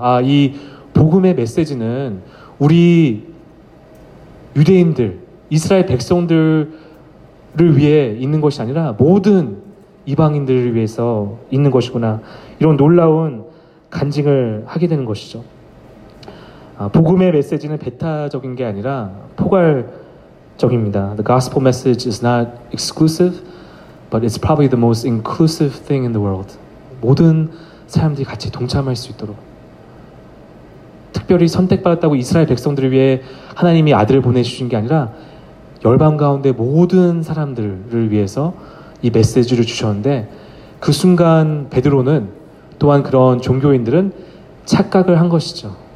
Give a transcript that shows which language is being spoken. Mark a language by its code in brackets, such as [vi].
[ko] 아, 이 복음의 메시지는 우리 유대인들, 이스라엘 백성들을 위해 있는 것이 아니라 모든 이방인들을 위해서 있는 것이구나. 이런 놀라운 간증을 하게 되는 것이죠. 복음의 메시지는 배타적인 게 아니라 포괄적입니다. [en] The gospel message is not exclusive, but it's probably the most inclusive thing in the world. [ko] 모든 사람들이 같이 동참할 수 있도록. 특별히 선택받았다고 이스라엘 백성들을 위해 하나님이 아들을 보내주신 게 아니라 열방 가운데 모든 사람들을 위해서 이 메시지를 주셨는데 그 순간 베드로는 또한 그런 종교인들은 착각을 한 것이죠.